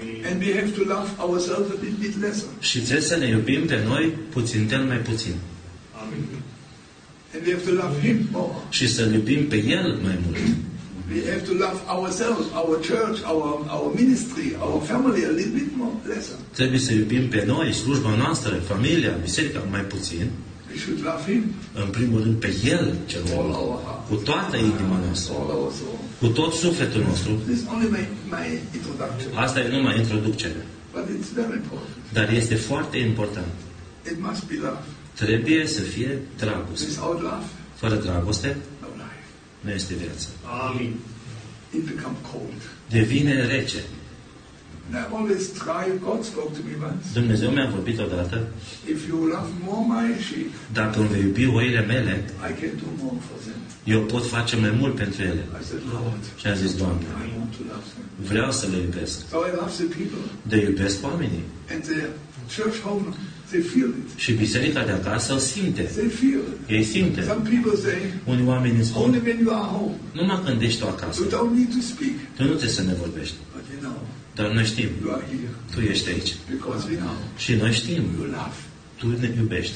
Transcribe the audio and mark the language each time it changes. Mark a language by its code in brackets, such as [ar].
[en] And we have to love ourselves a bit lesser. [ro] Și trebuie să ne iubim pe noi puțin, tel mai puțin. [en] And we have to love Him more. [ro] Și să iubim pe El mai mult. [en] We have to love ourselves, our church, our ministry, our family a little bit more, lesser. [ro] Trebuie să iubim pe noi, slujba noastră, familia, biserica, mai puțin. [en] We should love Him. [ro] În primul rând pe El, cel mai mult. Cu toată inima noastră. Cu tot sufletul nostru. [en] This is only my introduction. [ro] Asta e numai introducerea. [en] But it's very important. [ro] Dar este foarte important. [en] It must be love. [ro] Trebuie să fie dragoste. [en] Without love. [ro] Fără dragoste. Nu este viață. [en] Amen. It become cold. [ro] Devine rece. [en] Now always try God's word to be once. [ro] Dumnezeu mi-a vorbit odată. [en] If you love more my sheep. [ro] Dacă îmi vei iubi oile mele. [en] I can do more for them. [ro] Eu pot face mai mult pentru ele. Și am zis, Doamne, vreau să le iubesc. [en] So I love the people. [ro] De iubesc oamenii. [en] And the church home, they feel it. [ro] Și biserica de acasă o simte. [en] They feel it. [ro] Ei simte. [en] Some people say, [ro] unii oameni îmi spun, [en] only when you are home. [ro] Numai când ești tu acasă. [en] You don't need to speak. [ro] Tu nu trebuie să ne vorbești. [en] But you know, [ro] dar noi știm. [en] You are here. [ro] Tu ești aici. [en] Because we know. [ro] Și noi știm. [en] You love. [ro] Tu ne iubești.